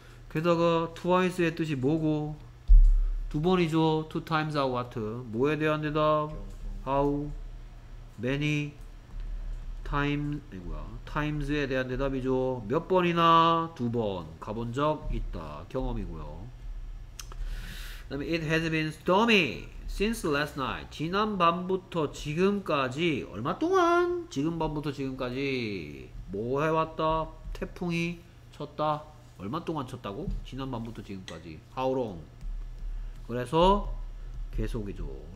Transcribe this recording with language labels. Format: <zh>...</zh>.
<ko>게다가 twice의 뜻이 뭐고 두 번이죠.</ko> <en>two times or what.</en> <ko>뭐에 대한 대답? how many times, 이거야. times에 대한 대답이죠. 몇 번이나 두 번 가본 적 있다. 경험이고요. 그다음에</ko> <en>it has been stormy since last night.</en> <ko>지난밤부터 지금까지 얼마 동안? 지금밤부터 지금까지 뭐 해왔다? 태풍이 쳤다. 얼마 동안 쳤다고? 지난밤부터 지금까지.</ko> <en>How long?</en> <ko>그래서 계속이죠.</ko>